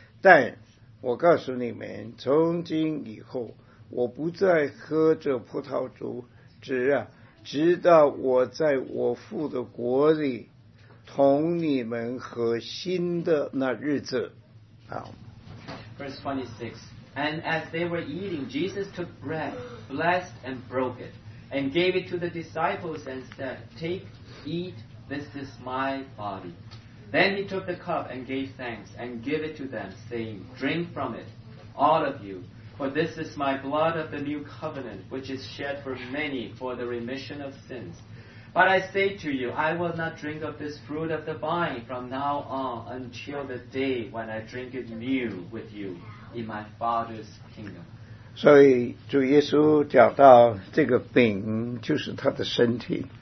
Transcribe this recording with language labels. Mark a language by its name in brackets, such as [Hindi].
[Chinese] 但我告诉你们，从今以后我不再喝这葡萄酒，直到我在我父的国里同你们喝新的那日子。 [English] Verse 26. And as they were eating, Jesus took bread, blessed and broke it, and gave it to the disciples and said, "Take, eat, this is my body." Then he took the cup and gave thanks and gave it to them, saying, "Drink from it, all of you, for this is my blood of the new covenant, which is shed for many for the remission of sins. But I say to you, I will not drink of this fruit of the vine from now on until the day when I drink it new with you in my Father's kingdom." [Chinese] 所以主耶稣讲到这个饼就是他的身体。